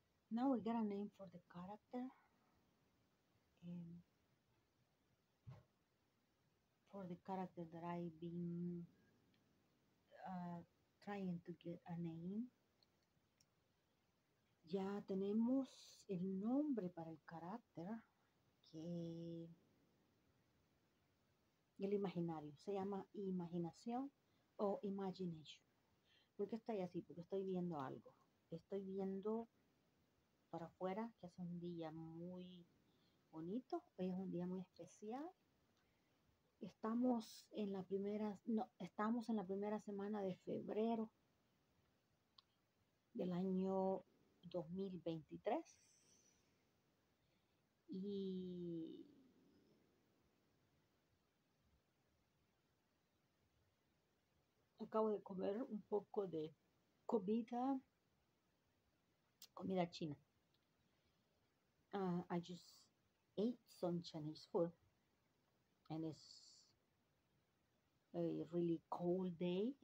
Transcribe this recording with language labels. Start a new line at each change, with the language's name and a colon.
English: Now we got a name for the character and for the character that I've been trying to get a name.
Spanish: Ya tenemos el nombre para el carácter, que el imaginario se llama imaginación o imagination. ¿Por qué estoy así? Porque estoy viendo algo. Estoy viendo para afuera que hace un día muy bonito. Hoy es un día muy especial. Estamos en la primera semana de febrero del año 2023. Y acabo de comer un poco de comida china.
English: I just ate some Chinese food, and it's a really cold day.